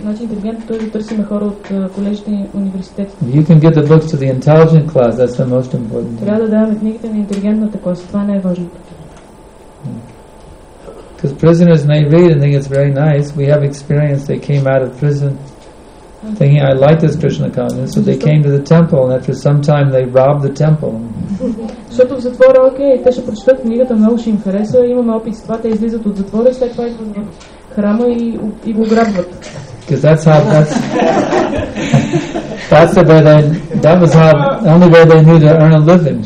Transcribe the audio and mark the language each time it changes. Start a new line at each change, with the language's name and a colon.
Bulgarian: Значи интелигентното е да търсим хора от колежите и университетите.
English: If you can get the books to the intelligent class, that's the most important thing.
Bulgarian: Трябва да даваме книгите на интелигентната класа, това не е важното.
English: Because prisoners may read and think it's very nice. We have experience. They came out of prison thinking, I like this Krishna consciousness. So they came to the temple, and after some time they robbed the temple. Because that was how the only way they knew to earn a living,